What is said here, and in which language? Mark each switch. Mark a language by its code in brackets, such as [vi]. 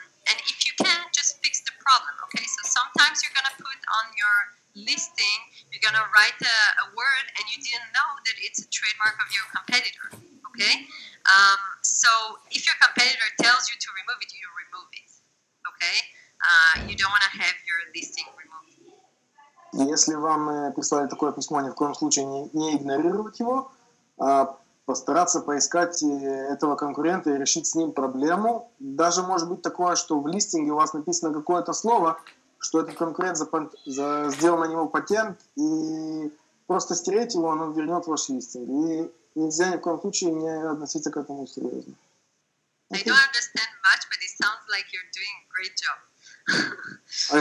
[en] And if you can, just fix the problem, okay? So sometimes you're going to put on your listing, you're going to write a word, and you didn't know that it's a trademark of your competitor, okay? So if your competitor tells you to remove it, you remove it, okay? You don't want to have your listing removed. [ru] Если вам прислали такое письмо, ни в коем случае не игнорировать его, а постараться поискать этого конкурента и решить с ним проблему. Даже может быть такое, что в листинге у вас написано какое-то слово, что этот конкурент сделал на него патент, и просто стереть его, оно вернет ваш листинг. И нельзя ни в коем случае не относиться к этому серьезно. [en] I don't understand much, but it sounds like you're doing a great job.